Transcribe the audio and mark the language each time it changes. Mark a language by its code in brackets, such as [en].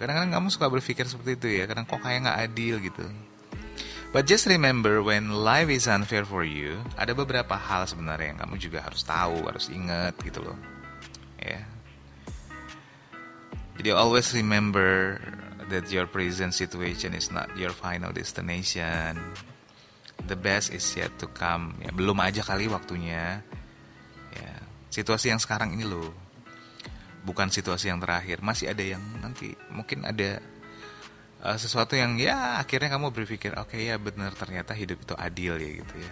[id] Kadang-kadang kamu suka berpikir seperti itu ya. Kadang kok kayak nggak adil gitu. [en] But just remember when life is unfair for you, [id] ada beberapa hal sebenarnya yang kamu juga harus tahu, harus ingat gitu loh. Ya. Yeah. [en] Jadi always remember that your present situation is not your final destination. The best is yet to come. [id] Ya, belum aja kali waktunya. Ya. Situasi yang sekarang ini loh. Bukan situasi yang terakhir. Masih ada yang nanti. Mungkin ada sesuatu yang ya akhirnya kamu berpikir, oke ya benar ternyata hidup itu adil ya gitu ya.